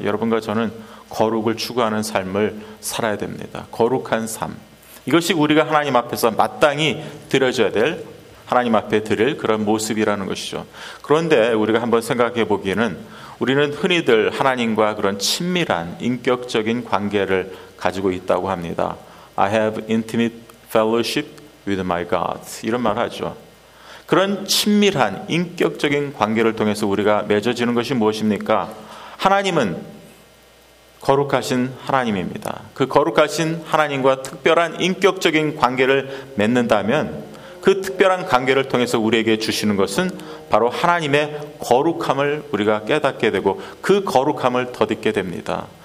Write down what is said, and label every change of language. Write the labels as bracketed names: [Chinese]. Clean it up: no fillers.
[Korean] 여러분과 저는 거룩을 추구하는 삶을 살아야 됩니다. 거룩한 삶. 이것이 우리가 하나님 앞에서 마땅히 드려져야 될 하나님 앞에 드릴 그런 모습이라는 것이죠. 그런데 우리가 한번 생각해 보기에는 우리는 흔히들 하나님과 그런 친밀한 인격적인 관계를 가지고 있다고 합니다. [English] I have intimate fellowship with my God. [Korean] 이런 말을 하죠. 그런 친밀한 인격적인 관계를 통해서 우리가 맺어지는 것이 무엇입니까? 하나님은 거룩하신 하나님입니다. 그 거룩하신 하나님과 특별한 인격적인 관계를 맺는다면 그 특별한 관계를 통해서 우리에게 주시는 것은 바로 하나님의 거룩함을 우리가 깨닫게 되고 그 거룩함을 더듬게 됩니다.